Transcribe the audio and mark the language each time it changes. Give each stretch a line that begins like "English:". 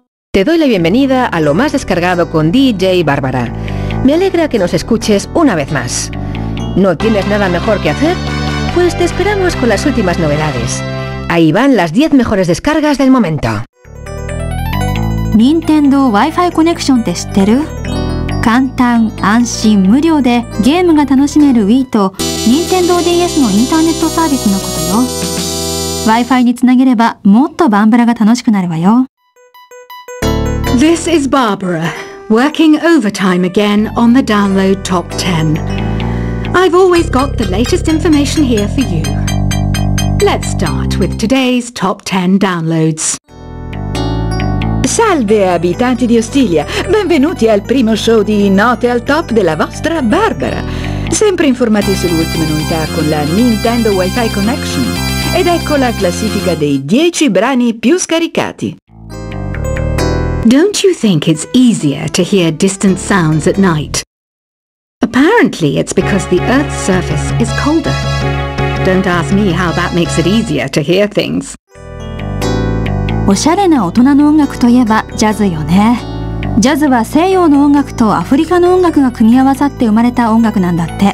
Spanish: Te doy la bienvenida a lo más descargado con DJ Bárbara. Me alegra que nos escuches una vez más. ¿No tienes nada mejor que hacer? Pues te esperamos con las últimas novedades. Ahí van las 10 mejores descargas del momento. Nintendo Wi-Fi Connection, ¿te enteru?
Japanese: 簡単、安心、無料でゲームが楽しめる Wii と Nintendo DS のインターネットサービスのことよ。 Wi-Fi につなげればもっとバンブラが楽しくなるわよ。
English: This is Barbara, working overtime again on the download top 10. I've always got the latest information here for you. Let's start with today's top 10 downloads.
Italian: Salve abitanti di Ostiglia, benvenuti al primo show di Note al Top della vostra Barbara. Sempre informati sulle ultime novità con la Nintendo Wi-Fi Connection. Ed ecco la classifica dei 10 brani più scaricati.
English: Don't you think it's easier to hear distant sounds at night? Apparently, it's because the Earth's surface is colder. Don't ask me how that makes it easier to hear things.
Japanese: おしゃれな大人の音楽といえばジャズよね。ジャズは西洋の音楽とアフリカの音楽が組み合わさって生まれた音楽なんだって。